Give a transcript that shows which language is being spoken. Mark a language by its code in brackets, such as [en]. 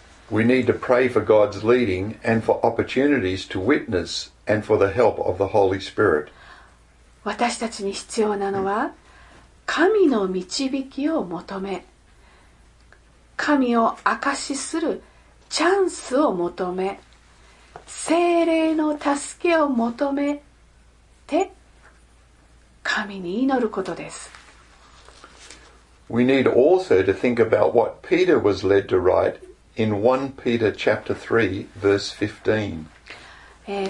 [en] We need to pray for God's leading and for opportunities to witness and for the help of the Holy Spirit. [ja] 私たちに必要なのは神の導きを求め、神を証しするチャンスを求め、聖霊の助けを求めて神に祈ることです。 [en] We need also to think about what Peter was led to write in 1 Peter chapter 3 verse 15。